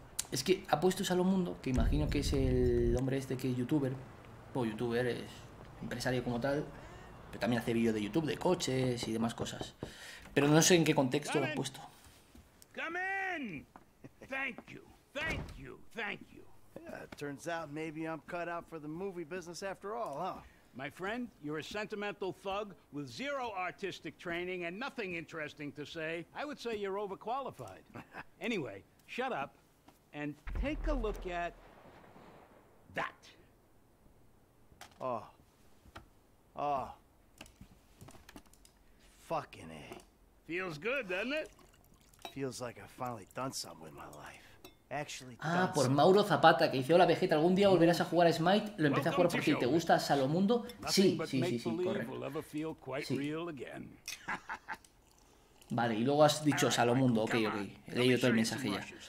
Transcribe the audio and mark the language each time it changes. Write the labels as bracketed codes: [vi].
[es] Es que ha puesto Salomón, que imagino que es el hombre este que es youtuber. Bueno, youtuber es empresario como tal. Pero también hace vídeo de YouTube, de coches y demás cosas. Pero no sé en qué contexto lo ha puesto. [en] ¡Come in! Thank you. Yeah, it turns out maybe I'm cut out for the movie business after all, huh? My friend, you're a sentimental thug with zero artistic training and nothing interesting to say. I would say you're overqualified. Anyway, shut up and take a look at that. Oh. Fucking A. Feels good, doesn't it? Feels like I've finally done something with my life. [es] Ah, por Mauro Zapata, que dice, hola Vegeta, ¿algún día volverás a jugar a Smite? Lo empecé a jugar porque te gusta Salomundo. Sí, correcto. Vale, y luego has dicho Salomundo, ok. He leído todo el mensaje ya.